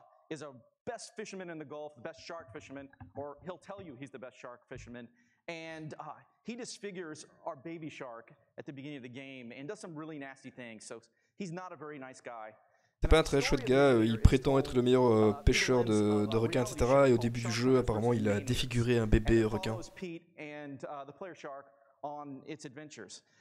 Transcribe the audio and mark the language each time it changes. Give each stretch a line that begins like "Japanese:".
English: Is a best fisherman in the Gulf, best shark fisherman, or he'll tell you he's the best shark fisherman, and he disfigures our baby shark at the beginning of the game and does some really nasty things. So he's not a very nice guy.
French: C'est pas un très chouette gars. Il prétend être le meilleur pêcheur de requins, etc. Et au début du jeu, apparemment, il a défiguré un bébé requin.
English: Pete and the player shark on its adventures.